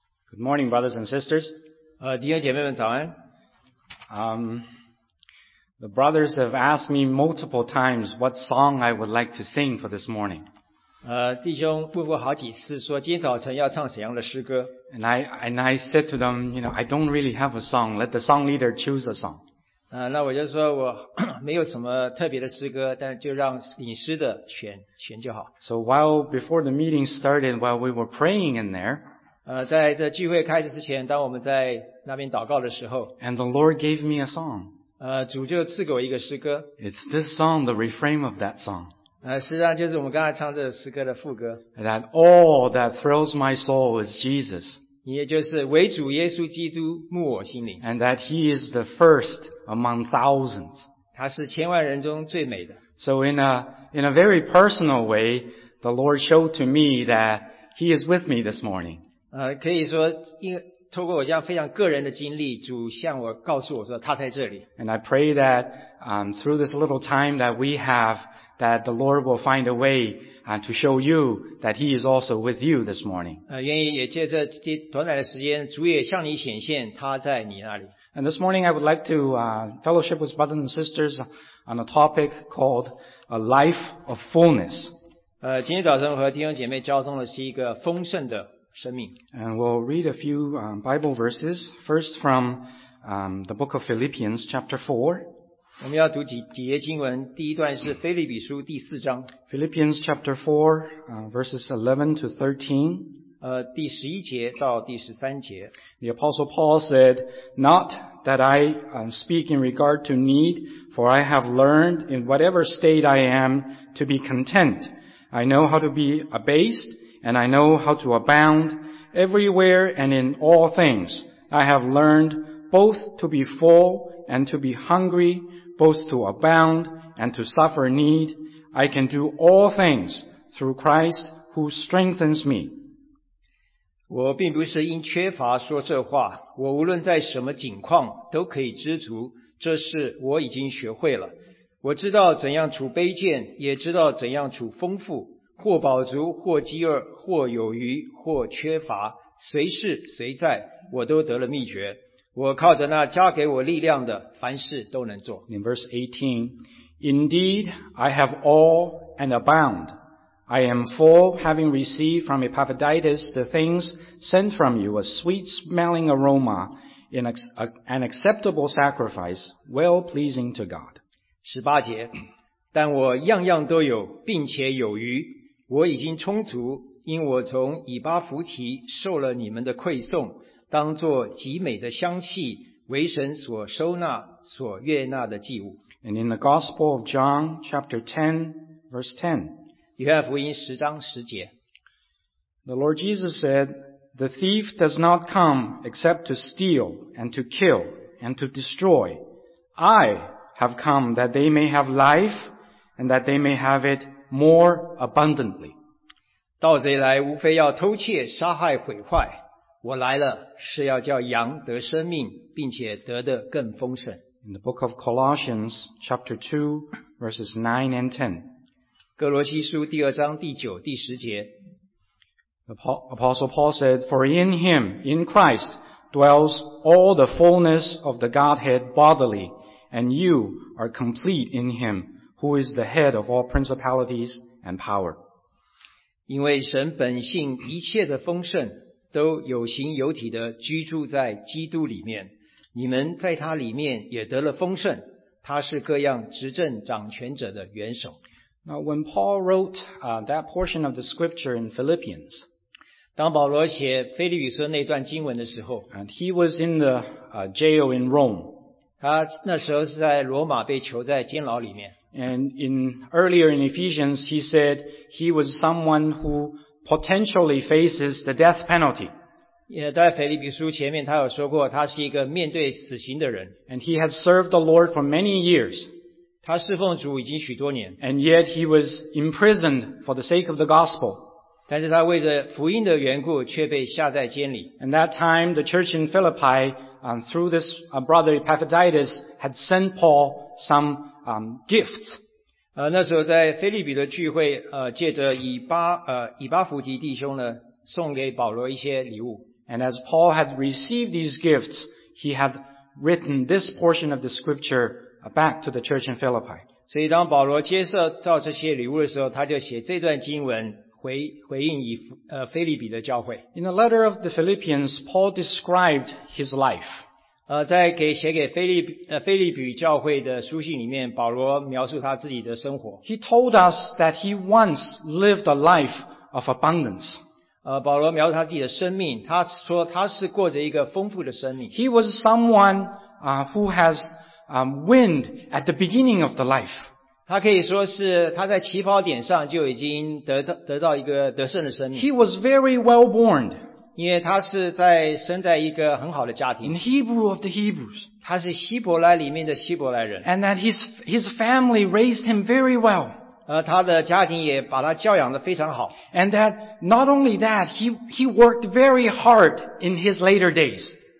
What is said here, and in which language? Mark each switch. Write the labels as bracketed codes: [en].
[en] Good morning, brothers and sisters. [zh] 弟兄姐妹们早安。 [en] The brothers have asked me multiple times what song I would like to sing for this morning. [zh] 弟兄问过好几次说今天早晨要唱怎样的诗歌。 [en] And I said to them, you know, I don't really have a song. Let the song leader choose a song. [zh] 那我就说我没有什么特别的诗歌，但就让领诗的选就好。 [en] So while before the meeting started, while we were praying in there, [zh] 在这聚会开始之前，当我们在那边祷告的时候 [en] ，And the Lord gave me a song. [zh] 主就赐给我一个诗歌。 [en] It's this song, the refrain of that song. [zh] 实际上就是我们刚才唱这诗歌的副歌。 [en] That all that thrills my soul is Jesus. [zh] 也就是唯主耶稣基督牧我心灵。 [en] And that He is the first among thousands. [zh] 他是千万人中最美的。 [en] So in a very personal way, the Lord showed to me that He is with me this morning. [zh] 可以说因为透过我这样非常个人的经历，主向我告诉我说他在这里。 [en] And I pray that, through this little time that we have, that the Lord will find a way, to show you that He is also with you this morning. [zh] 愿意也借这短短的时间，主也向你显现他在你那里。 [en] And this morning I would like to, fellowship with brothers and sisters on a topic called A Life of Fullness. [zh] 今天早晨和弟兄姐妹交通的是一个丰盛的 [en] And we'll read a few Bible verses, first from the book of Philippians, chapter 4. [zh] 我们要读几页经文，第一段是腓立比书第四章。 [en] Philippians chapter 4, verses 11 to 13. [zh] 第十一节到第十三节。 [en] The Apostle Paul said, Not that I speak in regard to need, for I have learned in whatever state I am to be content. I know how to be abased. And I know how to abound everywhere and in all things. I have learned both to be full and to be hungry, both to abound and to suffer need. I can do all things through Christ who strengthens me. [zh] 我并不是因缺乏说这话，我无论在什么境况都可以知足，这是我已经学会了。我知道怎样处卑贱，也知道怎样处丰富。或饱足，或饥饿，或有余，或缺乏，随是随在，我都得了秘诀。我靠着那加给我力量的，凡事都能做。 [en] In verse 18, Indeed, I have all and abound. I am full, having received from Epaphroditus the things sent from you, a sweet-smelling aroma, an acceptable sacrifice, well-pleasing to God. [zh] 18节，但我样样都有，并且有余。我已经充足，因我从以巴弗提受了你们的馈送，当作极美的香气，为神所收纳、所悦纳的祭物。 [en] And in the Gospel of John, chapter 10, verse 10. [zh] 约翰福音十章十节。 [en] The Lord Jesus said, The thief does not come except to steal and to kill and to destroy. I have come that they may have life and that they may have it more abundantly. [zh] 盗贼来无非要偷窃杀害毁坏。我来了是要叫羊得生命并且得得更丰盛。 [en] In the book of Colossians, chapter 2, verses 9 and 10. [zh] 哥罗西书第二章第九第十节。 [en] The Apostle Paul said, For in him, in Christ, dwells all the fullness of the Godhead bodily, and you are complete in him. Who is the head of all principalities and power? [zh] 因为神本性一切的丰盛都有形有体的居住在基督里面。你们在他里面也得了丰盛。他是各样执政掌权者的元首。 [en] Now when Paul wrote, that portion of the scripture in Philippians, [zh] 当保罗写腓立比书那段经文的时候 [en] and he was in the, jail in Rome. [zh] 他那时候是在罗马被囚在监牢里面。 [en] And in earlier in Ephesians, he said he was someone who potentially faces the death penalty. [zh] 在腓立比书前面他有说过他是一个面对死刑的人。 [en] And he had served the Lord for many years. [zh] 他侍奉主已经许多年。 [en] And yet he was imprisoned for the sake of the gospel. [zh] 但是他为着福音的缘故却被下在监里。 [en] And that time, the church in Philippi, through this brother Epaphroditus, had sent Paul some gifts. [zh] 那时候在腓立比的聚会借着以巴弗提弟兄呢送给保罗一些礼物。 [en] And as Paul had received these gifts, he had written this portion of the scripture back to the church in Philippi. [zh] 所以当保罗接受到这些礼物的时候，他就写这段经文回应腓立比的教会。 [en] In the letter of the Philippians, Paul described his life. [zh] 在给写给腓立比教会的书信里面，保罗描述他自己的生活。 [en] He told us that he once lived a life of abundance. [zh] 保罗描述他自己的生命，他说他是过着一个丰富的生命。 [en] He was someone who has wind at the beginning of the life. [zh] 他可以说是他在起跑点上就已经得到一个得胜的生命。 [en] He was very well born. [zh] 因为他是在生在一个很好的家庭。 [en] In Hebrew of the Hebrews. [zh] 他是希伯来里面的希伯来人。 [en] And that his family raised him very well. [zh] 他的家庭也把他教养得非常好。 [en] And that not only that, he worked very hard in his later days.